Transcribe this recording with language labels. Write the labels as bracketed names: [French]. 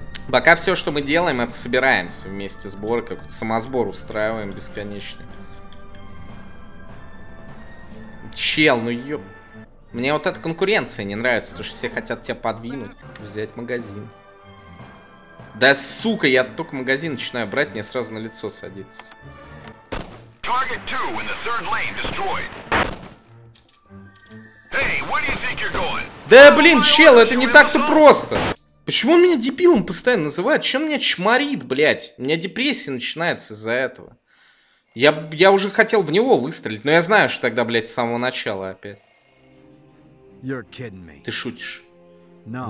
[Russian] Пока все, что мы делаем, это собираемся вместе сбор, какой-то самосбор устраиваем бесконечный. Чел, ну ёб... Мне вот эта конкуренция не нравится, потому что все хотят тебя подвинуть. Взять магазин. Да сука, я только магазин начинаю брать, мне сразу на лицо садится. [English] Target 2 in the third lane destroyed. Hey, where do you think you're going? [Russian] Да блин, чел, это не так-то просто. Почему он меня дебилом постоянно называет? Чем меня чморит, блядь? У меня депрессия начинается из-за этого. Я уже хотел в него выстрелить, но я знаю, что тогда, блядь, с самого начала опять. Ты шутишь? [English] No.